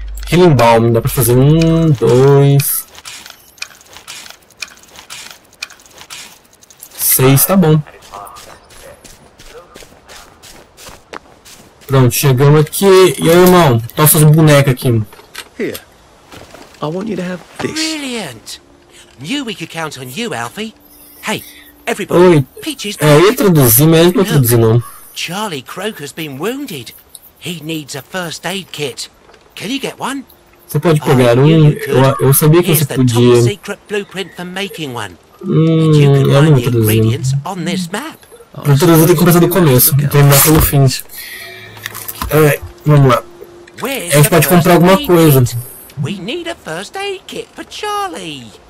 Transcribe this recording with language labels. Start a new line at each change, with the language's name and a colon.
Portuguese: Healing Balm, dá pra fazer um, dois. Seis, tá bom. Pronto, chegamos aqui. E aí, irmão, toca as bonecas aqui.
English: Here. I want you to have this. Brilliant! Knew we could count on you, Alfie. Hey, everybody. Peaches.
Portuguese: É, eu ia traduzir, mas eu não traduzi, não.
English: Charlie Croker's been wounded. He needs a first aid kit. Can you get one?
Portuguese: Você pode pegar um? Eu sabia que você podia.
English: Here's the top secret blueprint for making one. You can find the ingredients on this map.
Portuguese: Pra traduzir, tem que começar do começo. Terminar pelo fim. Vamos lá. A gente pode comprar alguma coisa.
English: We need a first aid kit for Charlie.